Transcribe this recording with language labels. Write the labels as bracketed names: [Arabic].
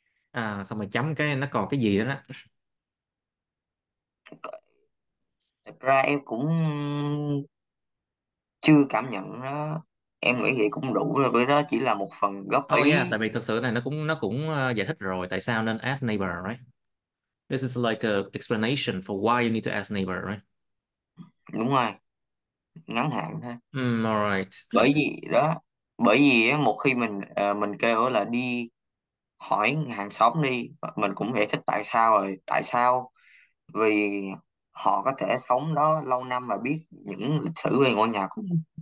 [Vietnamese] À xong rồi chấm cái nó còn cái gì đó đó. Thật ra em cũng chưa cảm nhận đó, em nghĩ vậy cũng đủ rồi, với đó chỉ là một phần góp [English] Oh yeah, [Vietnamese] tại vì thực sự này nó cũng giải thích rồi tại sao nên [English] ask neighbor, right? This is like a explanation for why you need to ask neighbor, right? [Vietnamese] Đúng rồi, ngắn hạn thôi, [English] All right. [Vietnamese] bởi vì một khi mình kêu là đi hỏi hàng xóm đi, mình cũng giải thích tại sao rồi, tại sao vì họ có thể sống đó lâu năm và biết những lịch sử về ngôi nhà của mình.